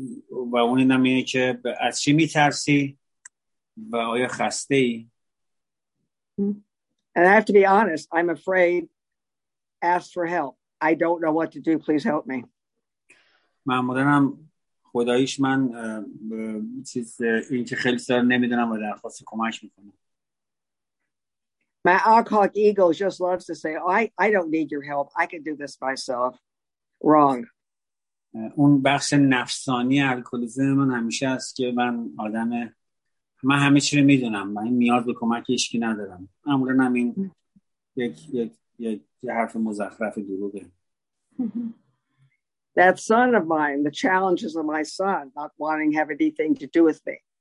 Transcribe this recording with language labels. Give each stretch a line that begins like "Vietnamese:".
Persian: و اون اینم اینه که از چی میترسی و آیا خسته ای؟
English: And I have to be honest, I'm afraid. Ask for help. I don't know what to do. Please help me.
Persian: معمولاً خداییش من چیز این که خیلی سر نمیدونم و درخواست کمک میکنم.
English: My alcoholic ego just loves to say, I don't need your help. I can do this myself. Wrong.
Persian: اون بخش نفسانی الکلیزم من همیشه است که من آدم من همه چی رو میدونم. من نیاز به کمک هیچ کی ندارم. معمولا همین یک حرف مزخرف دروغه.
English: That son of mine, the challenges of my son, not wanting to have anything to do with me.